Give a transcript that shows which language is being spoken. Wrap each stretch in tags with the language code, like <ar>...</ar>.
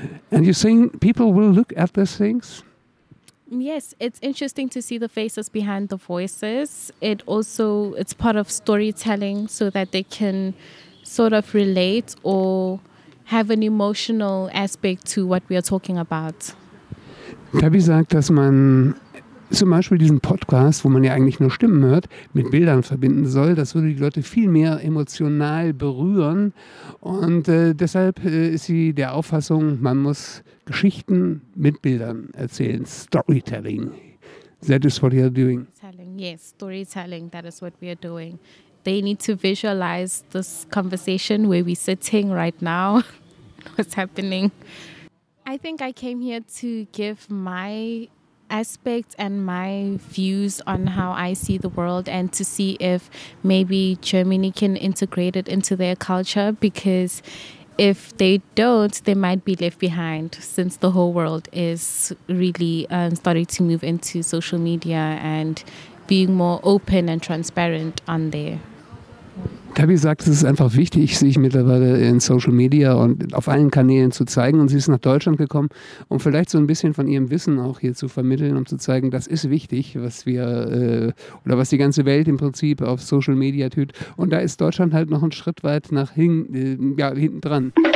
<en>And you're saying people will look at these things? Yes, it's interesting to see the faces behind the voices. It also, it's part of storytelling so that they can sort of relate or have an emotional aspect to what we are talking about.</en> <de>Tabi sagt, dass man zum Beispiel diesen Podcast, wo man ja eigentlich nur Stimmen hört, mit Bildern verbinden soll. Das würde die Leute viel mehr emotional berühren. Und deshalb ist sie der Auffassung, man muss Geschichten mit Bildern erzählen.</de> <en>Storytelling. That is what we are doing. Storytelling, yes, storytelling, that is what we are doing. They need to visualize this conversation where we're sitting right now. What's happening? I think I came here to give my aspect and my views on how I see the world and to see if maybe Germany can integrate it into their culture, because if they don't, they might be left behind since the whole world is really starting to move into social media and being more open and transparent on there.</en> <de>Tabi sagt, es ist einfach wichtig, sich mittlerweile in Social Media und auf allen Kanälen zu zeigen. Und sie ist nach Deutschland gekommen, um vielleicht so ein bisschen von ihrem Wissen auch hier zu vermitteln, um zu zeigen, das ist wichtig, was wir oder was die ganze Welt im Prinzip auf Social Media tut. Und da ist Deutschland halt noch einen Schritt weit nach hinten dran.</de>